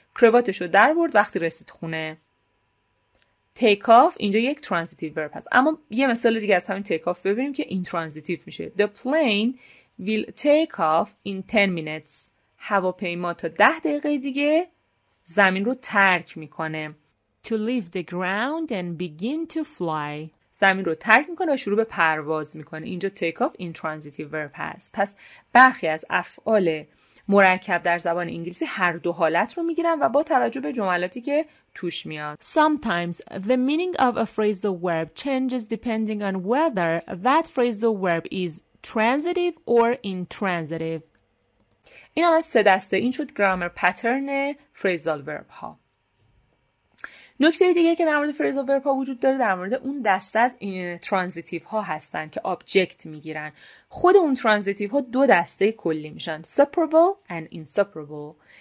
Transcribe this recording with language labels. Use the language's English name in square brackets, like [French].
[Persian] کرواتش رو در برد وقتی رسید خونه. Take off اینجا یک transitive verb هست. اما یه مثال دیگه از همین take off ببینیم که intransitive میشه. [English] The plane will take off in 10 minutes. [Persian] هواپیما تا 10 دقیقه دیگه زمین رو ترک میکنه. [English] To leave the ground and begin to fly. [Persian] زمین رو ترک میکنه و شروع به پرواز میکنه. اینجا take off intransitive verb هست. پس برخی از افعال مرکب در زبان انگلیسی هر دو حالت رو میگیرن و با توجه به جملاتی که توش میاد. [English] Sometimes the meaning of a phrasal verb changes depending on whether that phrasal verb is transitive or intransitive. [Persian] این هم از سه دسته. این شد گرامر پترن فریزال ورب ها. نکته دیگه که در مورد فریزال ورب ها وجود داره در مورد اون دسته از این ترانزیتیو ها هستن که آبجکت میگیرن. خود اون ترانزیتیو ها دو دسته کلی میشن: سپرابل و انسپرابل.